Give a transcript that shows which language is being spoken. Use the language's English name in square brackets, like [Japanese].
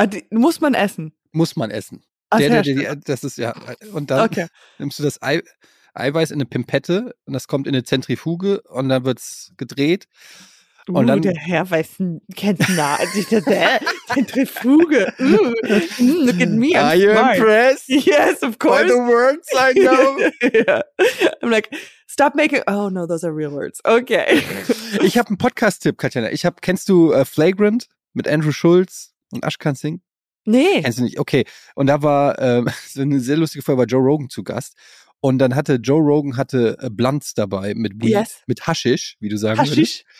[German] Muss man essen? Muss man essen. Ach, das ist ja. Und dann nimmst du das Eiweiß in eine Pimpette und das kommt in eine Zentrifuge und dann wird es gedreht. Und dann, der Herr weiß, kennt nah, als ich das, Zentrifuge. [English] Look at me, I'm smart. Are you impressed? Yes, of course. By the words I know. Yeah. I'm like, stop making, oh no, those are real words. Okay. [German] Ich habe einen Podcast-Tipp, Katjana. Kennst du Flagrant mit Andrew Schulz und Ashkan Singh? Nee. Kennst du nicht? Okay. Und da war, so eine sehr lustige Folge, war Joe Rogan zu Gast. Und dann hatte Joe Rogan hatte Blunts dabei mit Weed, mit Haschisch, wie du sagen würdest.